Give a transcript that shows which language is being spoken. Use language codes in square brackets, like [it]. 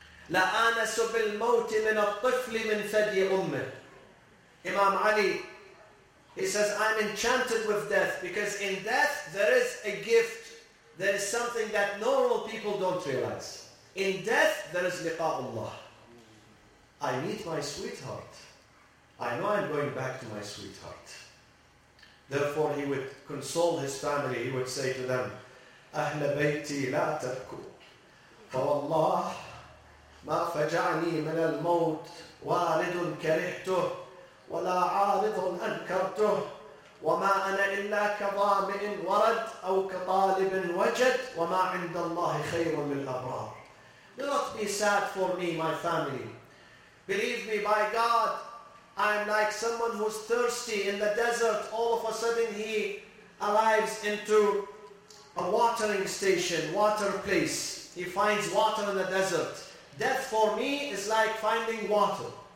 [ar] لا آنس بالموت من الطفل من ثدي أمه. [en] Imam Ali, he says, "I'm enchanted with death, because in death there is a gift. There is something that normal people don't realize. In death there is liqa Allah. I meet my sweetheart. I know I'm going back to my sweetheart." Therefore, he would console his family. He would say to them, [ar] "أهل بيتي لا تبكوا. فوالله ما فجعني من الموت والد كرهته ولا عارض أنكرته وما أنا إلا كظامئ ورد أو كطالب وجد وما عند الله خير من الأبرار." [en] Do not be sad for me, my family. Believe me, by God, I'm like someone who's thirsty in the desert. All of a sudden he arrives into a watering station, water place. He finds water in the desert. Death for me is like finding water.